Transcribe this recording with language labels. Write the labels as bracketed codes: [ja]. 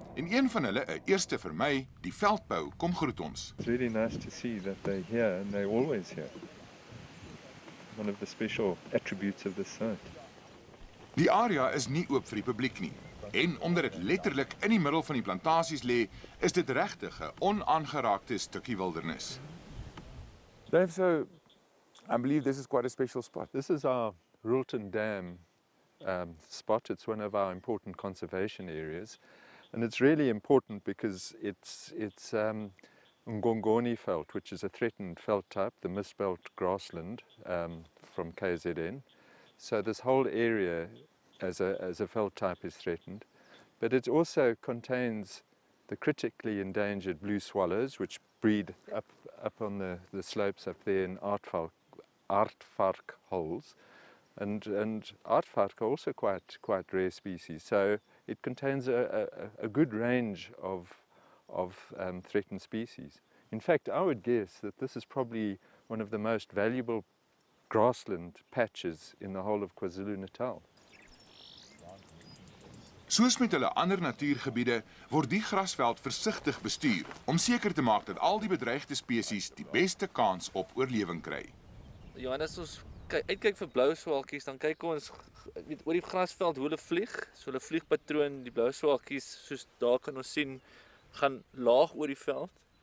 [af] En een van hulle, een eerste vir my, die veldpauw, kom groet ons. [en] It's really nice to see that they're here and they're always here. One of the special attributes of this site. [af] Die area is nie oop vir die publiek nie. En omdat het letterlik in die middel van die plantasies lê, is dit regtig 'n onaangeraakte stukkie wildernis. [en] Dave, so I believe this is quite a special spot. This is our Roelton Dam spot. It's one of our important conservation areas. And it's really important because it's Ngongoni felt, which is a threatened felt type, the misbelt grassland from KZN. So this whole area as a felt type is threatened. But it also contains the critically endangered blue swallows, which breed up on the slopes up there in aardvark holes. And aardvark are also quite rare species. So it contains a good range of threatened species. In fact, I would guess that this is probably one of the most valuable grassland patches in the whole of KwaZulu-Natal. [af] Soos met hulle ander natuurgebiede, word die grasveld versigtig bestuur om seker te maak dat al die bedreigde species die beste kans op oorlewing kry. Johannes, ons uitkyk vir blou swalkies, dan kyk ons oor die grasveld hoe hulle vlieg, so hulle vliegpatroon, die blou swalkies, soos daar kan ons sien, gaan laag oor die veld.